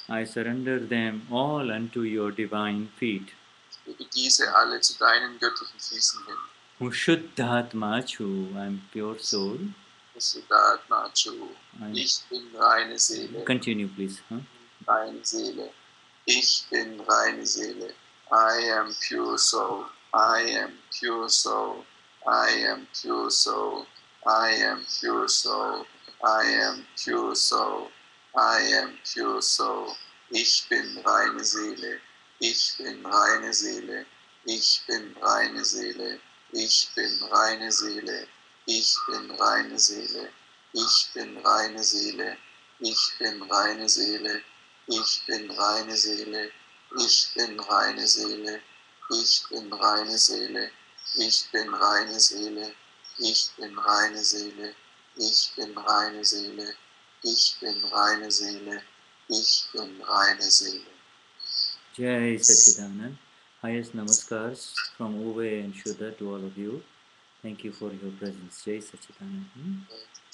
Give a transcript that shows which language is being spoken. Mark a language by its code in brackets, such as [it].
[en] I surrender them all unto your divine feet. [de] Ich gebe diese alle zu deinen göttlichen Füßen hin. [en] O Shuddhatma Chu, I'm pure soul. [de] O Shuddhatma Chu, ich bin reine Seele. [en] Continue, please. Huh? [de] Reine Seele. Ich bin reine Seele. [en] I am pure soul. I am pure soul. I am pure soul, [de] I am pure soul, I am pure soul, I am pure soul, ich bin reine Seele, ich bin reine Seele, ich bin reine Seele, ich bin reine Seele, ich bin reine Seele, ich bin reine Seele, ich bin reine Seele, ich bin reine Seele, ich bin reine Seele, ich bin reine Seele. Ich bin reine Seele, ich bin reine Seele, ich bin reine Seele, ich bin reine Seele, ich bin reine Seele. [hi] Jai Satchidanand. [en] Highest Namaskars from Uwe and Shuddha to all of you. Thank you for your presence. Jai Satchidanand.